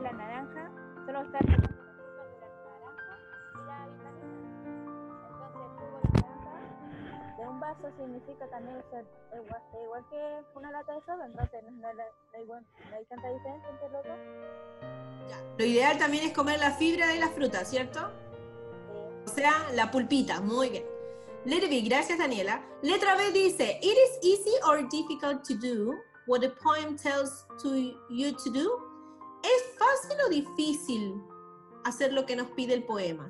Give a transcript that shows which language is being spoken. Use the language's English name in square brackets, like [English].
[Spanish] Entonces, el jugo de naranja de un vaso significa también ser igual que una lata de soda, entonces no hay tanta diferencia entre los dos. Ya. Lo ideal también es comer la fibra de la fruta, ¿cierto? Sí. O sea, la pulpita, muy bien. [English] Let it be. [Spanish] Gracias, Daniela. Letra B dice, [English] it is easy or difficult to do what a poem tells to you to do. [Spanish] ¿Es fácil o difícil hacer lo que nos pide el poema?